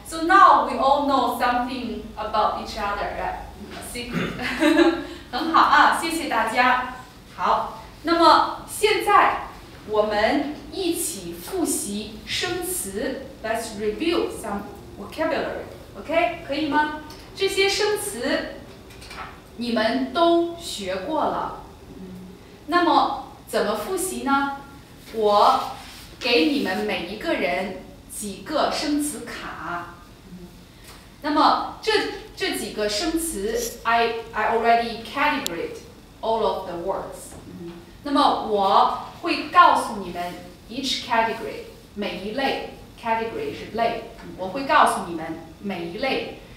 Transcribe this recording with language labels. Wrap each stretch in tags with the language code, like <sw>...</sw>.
<en>So now we all know something about each other, right?</en> <zh>Secret. 很好啊，谢谢大家。好，那么现在我们一起复习生词。</zh> <en>Let's review some vocabulary. OK,</en> <zh>可以吗？这些生词你们都学过了。那么怎么复习呢？我给你们每一个人几个生词卡。那么这几个生词</zh> <en>I already categorized all of the words.</en> <zh>那么我会告诉你们</zh> <en>each category,</en> <zh>每一类 category 是类，我会告诉你们每一类。</zh>